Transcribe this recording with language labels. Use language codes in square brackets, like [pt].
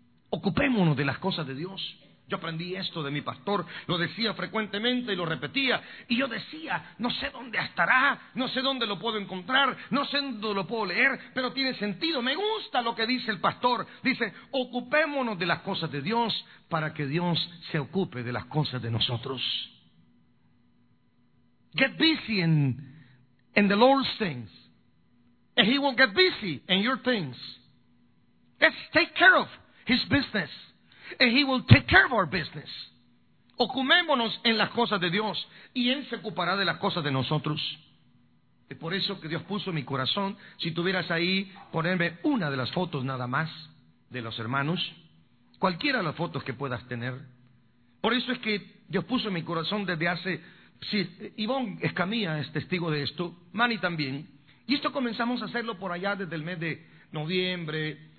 [es] Ocupémonos de las cosas de Dios. Yo aprendí esto de mi pastor, lo decía frecuentemente y lo repetía, y yo decía, no sé dónde estará, no sé dónde lo puedo encontrar, no sé dónde lo puedo leer, pero tiene sentido, me gusta lo que dice el pastor. Dice, ocupémonos de las cosas de Dios para que Dios se ocupe de las cosas de nosotros. [en] Get busy in the Lord's things, and He will get busy in your things. Let's take care of His business. And He will take care of our business. [es] Ocupémonos en las cosas de Dios y Él se ocupará de las cosas de nosotros. Es por eso que Dios puso en mi corazón, si tuvieras ahí, ponerme una de las fotos nada más de los hermanos, cualquiera de las fotos que puedas tener. Por eso es que Dios puso en mi corazón desde hace, si Ivonne Escamilla es testigo de esto, Manny también, y esto comenzamos a hacerlo por allá desde el mes de noviembre.